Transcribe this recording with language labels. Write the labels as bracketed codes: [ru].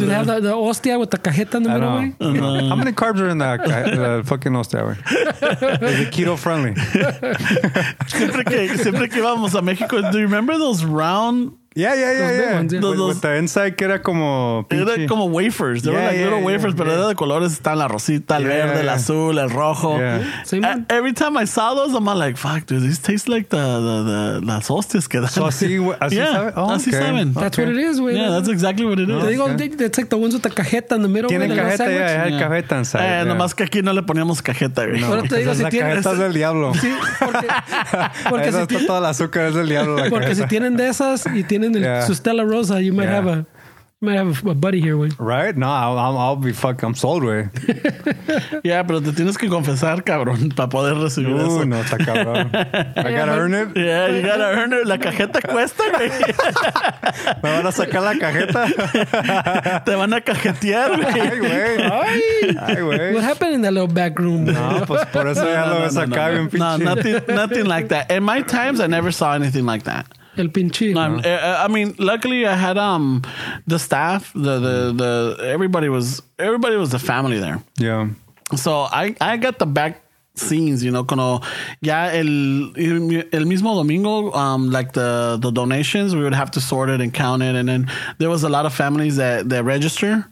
[en] Do they have the hostia with the cajeta in the middle, güey? How many carbs are in that fucking hostia, güey? Is it keto friendly? [es] Siempre que vamos a México, [en] do you remember those round... Yeah. Those, with the inside [es] que era como pinche. Era como wafers. [en] They were like little wafers, [es] pero era de colores. Están la rosita, el verde, el azul, el rojo. [en] Yeah. Every time I saw those, I'm like, fuck, dude, these taste like the [es] las hostias que dan. So así saben? Yeah, así saben. [en] That's what it is, güey. Yeah, that's exactly what it is. They take like the ones with the cajeta in the middle. [es] Tienen cajeta, hay cajeta inside. Nomás que aquí no le poníamos cajeta, güey. Ahora te digo, si tienen... Esa cajeta es del diablo. Sí, porque... Esa está toda la azúcar, es del diablo. Porque si tienen de esas y tienen el Stella Rosa, [en] you might have a... Might have a buddy here, güey. Right? No, I'll be fucking... I'm sold, güey. [es] Yeah, pero te tienes que confesar, cabrón, para poder recibir eso. No, está cabrón. [en] I gotta earn it? Yeah, you gotta earn it. [es] La cajeta cuesta, güey. ¿Me van a sacar la cajeta? Te van a cajetear, güey. Ay, güey. [en] Ay, what happened in that little back room? [es] No, pues por eso ya lo ves acá bien pinche. [en] No, nothing like that. In my times, I never saw anything like that. [es] El pinche. [en] No, I mean, luckily I had the staff, the everybody was a family there. Yeah. So I got the back scenes, you know, [es] cuando ya el mismo domingo, [en] like the donations, we would have to sort it and count it, and then there was a lot of families that register.